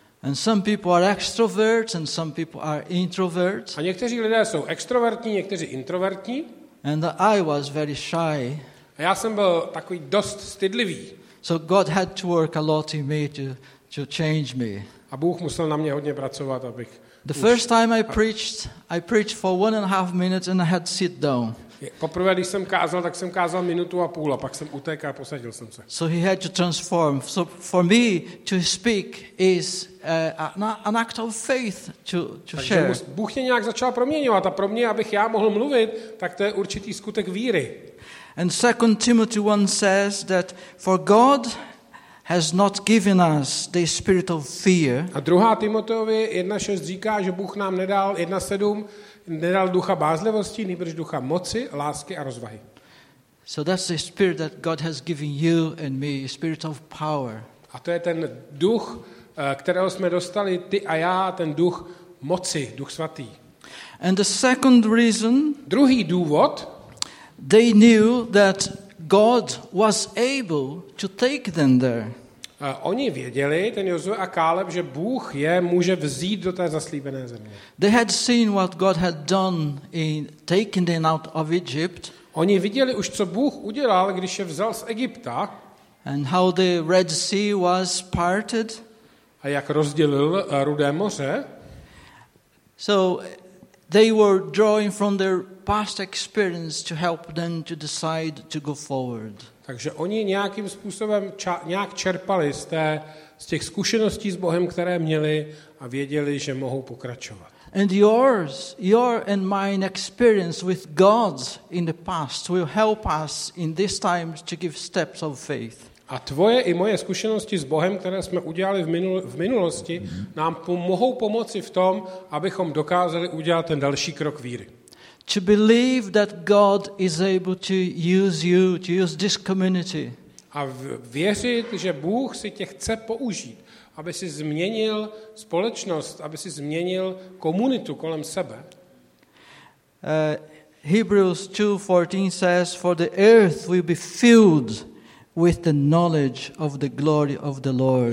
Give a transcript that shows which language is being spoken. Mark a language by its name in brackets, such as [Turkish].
[English] And some people are extroverts and some people are introverts. [Czech] A někteří lidé jsou extrovertní, někteří introvertní. [English] And I was very shy. [Czech] A já jsem byl takový dost stydlivý. [English] So God had to work a lot in me to change me. [Czech] A Bůh musel na mě hodně pracovat, abych [English] The first time I preached for 1.5 minutes and I had to sit down. [Czech] Poprvé, když jsem kázal, tak jsem kázal minutu a půl a pak jsem utekl a posadil jsem se. [English] So he had to transform. So for me to speak is an act of faith to share. [Czech] Bůh mě nějak začal proměňovat a pro mě, abych já mohl mluvit, tak to je určitý skutek víry. [English] And 2 Timothy 1 says that for God has not given us the spirit of fear. [Czech] A 2. Timoteovi 1:6 říká, že Bůh nám nedal 1:7 nedal ducha bázlivosti, nýbrž ducha moci, lásky a rozvahy. [English] So that's the spirit that God has given you and me, spirit of power. [Czech] A to je ten duch, kterého jsme dostali ty a já, ten duch moci, duch svatý. [English] And the second reason, [Czech] druhý důvod, [English] they knew that God was able to take them there. [Czech] Oni věděli, ten Josue a Kaleb, že Bůh je může vzít do té zaslíbené země. [English] They had seen what God had done in taking them out of Egypt. [Czech] Oni viděli už, co Bůh udělal, když je vzal z Egypta. [English] And how the Red Sea was parted. [Czech] A jak rozdělil Rudé moře. [English] So they were drawing from their past experience to help them to decide to go forward. [Czech] Takže oni nějakým způsobem nějak čerpali z těch zkušeností s Bohem, které měli a věděli, že mohou pokračovat. [English] And your and my experience with God in the past will help us in this time to give steps of faith. [Czech] A tvoje i moje zkušenosti s Bohem, které jsme udělali v minulosti, nám mohou pomoci v tom, abychom dokázali udělat ten další krok víry. [English] To believe that God is able to use you, to use this community. [Czech] A věřit, že Bůh si tě chce použít, aby si změnil společnost, aby si změnil komunitu kolem sebe. [English] Hebrews 2:14 says, for the earth will be filled with the knowledge of the glory of the Lord.